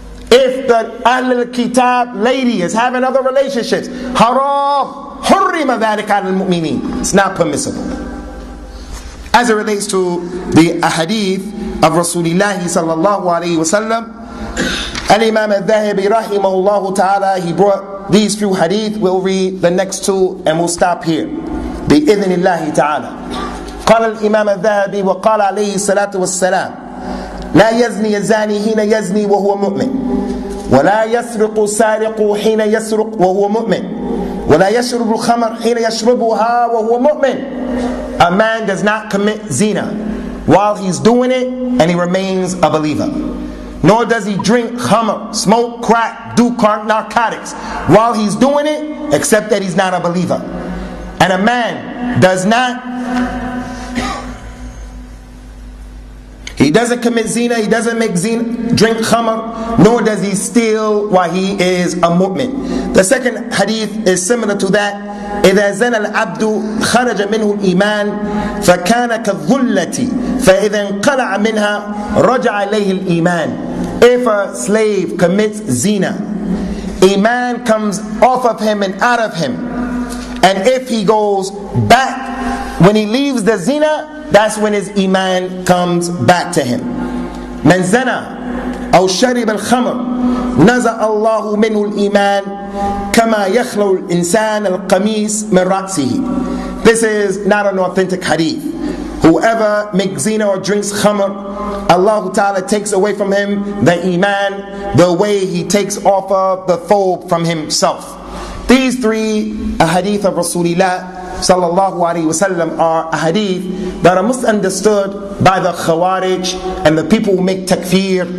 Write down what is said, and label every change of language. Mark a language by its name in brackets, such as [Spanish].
[English] If the Ahlul Kitab lady is having other relationships, haram. [Arabic] حُرِّمَ ذَلِكَ عَلَى الْمُؤْمِنِينَ. [English] It's not permissible. as it relates to the hadith of Rasulullah sallallahu alayhi wa sallam, Al-Imam al-Dhahibi rahimahullahu ta'ala, he brought these few hadith. We'll read the next two and we'll stop here. [Arabic] بإذن الله تعالى قال الإمام الذهبي وقال عليه الصلاة والسلام لا يزني الزاني حين يزني وهو مؤمن ولا يسرق سارق حين يسرق وهو مؤمن ولا يشرب الخمر حين يشربها وهو مؤمن. [English] A man does not commit zina while he's doing it and he remains a believer. Nor does he drink khamr, smoke crack, do narcotics while he's doing it, except that he's not a believer. And a man does not, he doesn't commit zina, he doesn't make zina, drink khamr, nor does he steal while he is a mu'min. The second hadith is similar to that. [Arabic] إذا زنى العبد خرج منه الإيمان فكان كالظلة فإذا انقلع منها رجع إليه الإيمان. [English] If a slave commits zina, iman comes off of him and out of him. And if he goes back, when he leaves the zina, that's when his iman comes back to him. [Arabic] من زنى أو شرب الخمر نزع الله منه الإيمان كما يخلو الإنسان القميص من رأسه. [English] This is not an authentic hadith. Whoever makes zina or drinks khamr, Allah Ta'ala takes away from him the iman, the way he takes off of the thawb from himself. These three hadith of Rasulullah sallallahu alayhi wa sallam are hadith that are misunderstood by the khawarij and the people who make takfir.